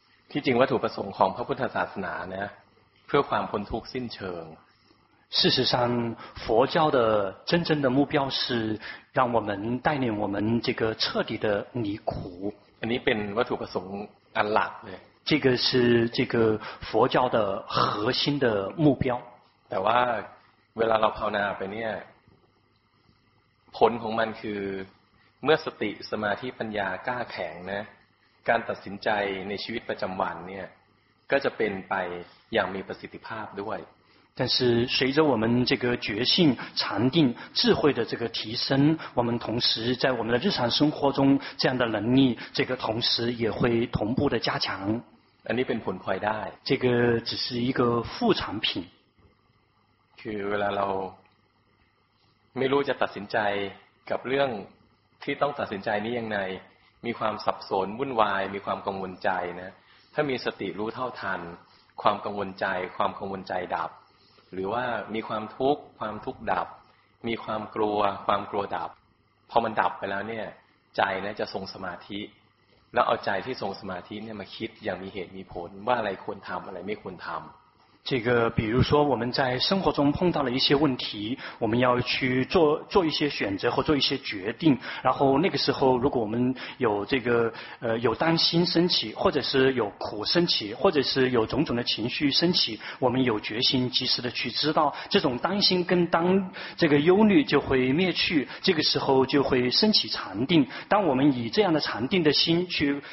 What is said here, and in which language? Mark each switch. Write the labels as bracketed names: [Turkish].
[Thai] ที่จริงวัตถุประสงค์ของพระพุทธศาสนาเนี่ยเพื่อความพ้นทุกข์สิ้นเชิง [Chinese] 事实上佛教的真正的目标是让我们带领我们这个彻底的离苦 [Thai] อันนี้เป็นวัตถุประสงค์อันหลักเลย [Chinese] 这个是这个佛教的核心的目标 [Thai] แต่ว่าเวลาเราภาวนาไปเนี่ยผลของมันคือเมื่อสติสมาธิปัญญากล้าแข็งนะการตัดสินใจในชีวิตประจำวันเนี่ยก็จะเป็นไปอย่างมีประสิทธิภาพด้วย [Chinese] 但是随着我们这个觉性禅定智慧的这个提升我们同时在我们的日常生活中这样的能力这个同时也会同步的加强 [Thai] อันนี้เป็นผลพลอยได้ [Chinese] 这个只是一个副产品 [Thai] คือเวลาเราไม่รู้จะตัดสินใจกับเรื่องที่ต้องตัดสินใจนี้ยังไงมีความสับสนวุ่นวายมีความกังวลใจนะถ้ามีสติรู้เท่าทันความกังวลใจความกังวลใจดับหรือว่ามีความทุกข์ความทุกข์ดับมีความกลัวความกลัวดับพอมันดับไปแล้วเนี่ยใจนะจะทรงสมาธิแล้วเอาใจที่ทรงสมาธิเนี่ยมาคิดอย่างมีเหตุมีผลว่าอะไรควรทำอะไรไม่ควรทำ [Chinese] 这个比如说我们在生活中碰到了一些问题我们要去做一些选择或做一些决定然后那个时候如果我们有这个有担心升起或者是有苦升起或者是有种种的情绪升起我们有决心及时的去知道这种担心跟当这个忧虑就会灭去这个时候就会升起禅定当我们以这样的禅定的心去